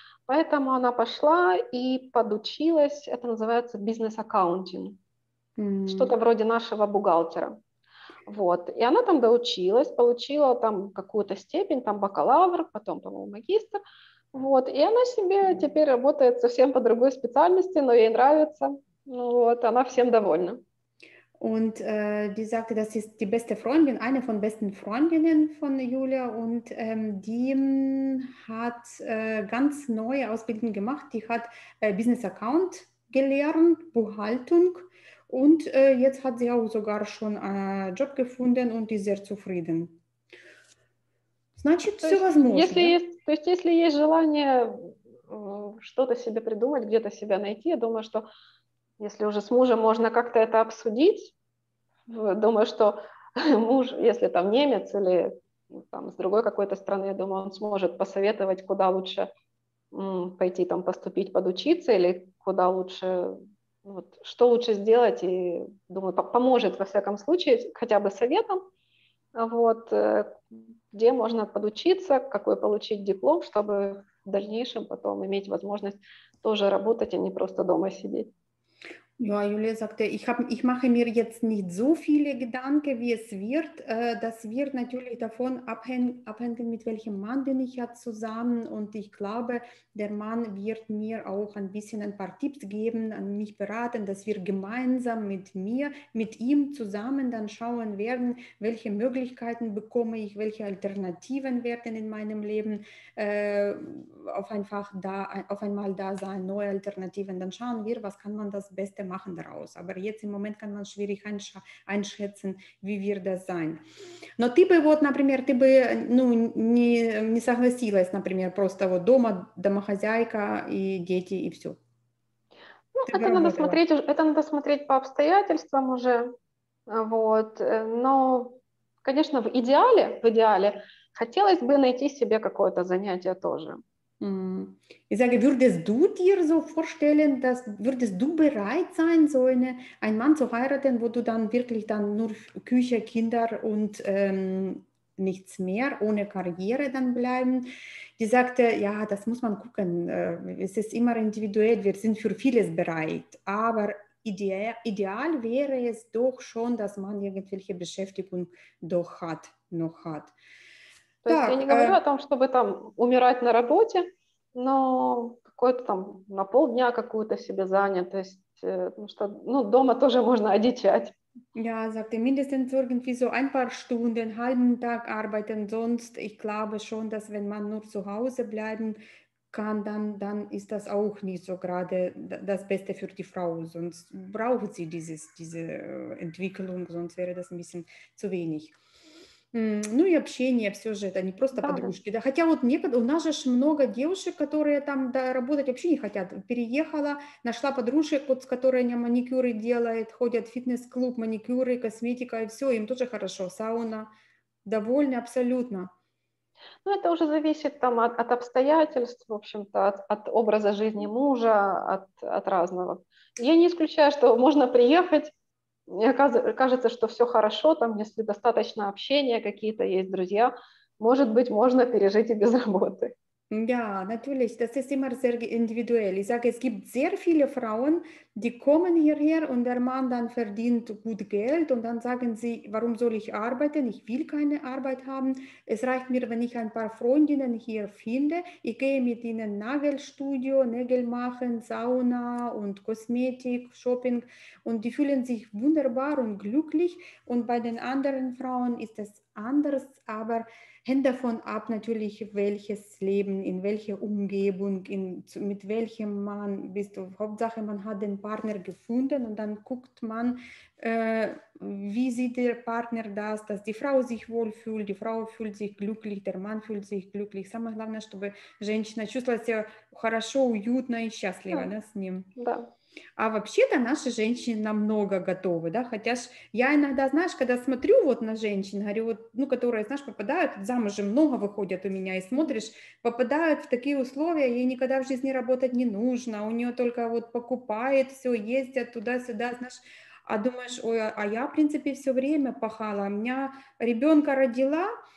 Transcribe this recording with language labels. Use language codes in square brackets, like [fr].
[ru] Поэтому она пошла и подучилась, это называется бизнес-аккаунтинг, что-то вроде нашего бухгалтера. Вот. И она там доучилась, получила там какую-то степень, там бакалавр, потом, по-моему, магистр. Вот. И она себе теперь работает совсем по другой специальности, но ей нравится. Вот. Она всем довольна. [de] Und die sagte, das ist die beste Freundin, eine von besten Freundinnen von Julia und die hat ganz neue Ausbildung gemacht. Die hat Business Account gelernt, Buchhaltung und jetzt hat sie auch sogar schon einen Job gefunden und ist sehr zufrieden. [ru] Значит, все возможно. Если есть, то есть если есть желание что-то себе придумать, где-то себя найти, я думаю, что если уже с мужем можно как-то это обсудить, думаю, что муж, если там немец или там с другой какой-то страны, я думаю, он сможет посоветовать, куда лучше пойти там поступить, подучиться, или куда лучше, вот, что лучше сделать, и, думаю, поможет во всяком случае, хотя бы советом, вот, где можно подучиться, какой получить диплом, чтобы в дальнейшем потом иметь возможность тоже работать, а не просто дома сидеть. [de] Ja, Julia sagte, ich mache mir jetzt nicht so viele Gedanken, wie es wird. Das wird natürlich davon abhängen, mit welchem Mann bin ich ja zusammen. Und ich glaube, der Mann wird mir auch ein bisschen ein paar Tipps geben, an mich beraten, dass wir gemeinsam mit ihm zusammen dann schauen werden, welche Möglichkeiten bekomme ich, welche Alternativen werden in meinem Leben auf einmal da sein, neue Alternativen. Dann schauen wir, was kann man das Beste machen daraus. Aber jetzt im Moment kann man schwierig einschätzen, wie wird das sein. [ru] Но ты бы вот, например, ты бы ну, не согласилась, например, просто вот дома домохозяйка и дети и все. Ну, это надо смотреть по обстоятельствам уже. Вот. Но, конечно, в идеале хотелось бы найти себе какое-то занятие тоже. [de] Ich sage, würdest du dir so vorstellen, dass würdest du bereit sein, so einen Mann zu heiraten, wo du dann wirklich dann nur Küche, Kinder und nichts mehr, ohne Karriere dann bleiben. Die sagte, ja, das muss man gucken, es ist immer individuell, wir sind für vieles bereit, aber ideal wäre es doch schon, dass man irgendwelche Beschäftigung doch hat, noch hat. [ru] То есть я не говорю о том, чтобы там умирать на работе, но какой-то там на полдня какую-то себе занять, то есть, ну что, ну дома тоже можно одичать. [de] Ja, sagte mindestens irgendwie so ein paar Stunden, halben Tag arbeiten, sonst, ich glaube schon, dass wenn man nur zu Hause bleiben kann, dann ist das auch nicht so gerade das Beste für die Frau, sonst braucht sie diese Entwicklung, sonst wäre das ein bisschen zu wenig. [ru] Ну и общение, все же это не просто подружки. Да. Хотя вот у нас же много девушек, которые там да, работать вообще не хотят. Переехала, нашла подружек, вот, с которой они маникюры делают, ходят в фитнес-клуб, маникюры, косметика, и все, им тоже хорошо. Сауна довольны абсолютно. Ну это уже зависит там, от обстоятельств, в общем-то, от образа жизни мужа, от разного. Я не исключаю, что можно приехать. Мне кажется, что все хорошо, там, если достаточно общения, какие-то есть друзья, может быть, можно пережить и без работы. [de] Ja, natürlich, das ist immer sehr individuell. Ich sage, es gibt sehr viele Frauen, die kommen hierher und der Mann dann verdient gut Geld und dann sagen sie, warum soll ich arbeiten? Ich will keine Arbeit haben. Es reicht mir, wenn ich ein paar Freundinnen hier finde. Ich gehe mit ihnen Nagelstudio, Nägel machen, Sauna und Kosmetik, Shopping und die fühlen sich wunderbar und glücklich. Und bei den anderen Frauen ist es anders, aber hängt davon ab natürlich, welches Leben, in welcher Umgebung, mit welchem Mann bist du. Hauptsache, man hat den Partner gefunden und dann guckt man, wie sieht der Partner das, dass die Frau sich wohlfühlt, die Frau fühlt sich glücklich, der Mann fühlt sich glücklich. [ru] Самое главное, чтобы женщина чувствовала себя хорошо, уютно и счастливо, да, с ним. Да. А вообще-то наши женщины намного готовы, да, хотя ж я иногда, знаешь, когда смотрю вот на женщин, говорю, вот, ну, которые, знаешь, попадают, замужем много выходят у меня, и смотришь, попадают в такие условия, ей никогда в жизни работать не нужно, у нее только вот покупает все, ездят туда-сюда, знаешь, а думаешь, ой, а я, в принципе, все время пахала, у меня ребенка родила,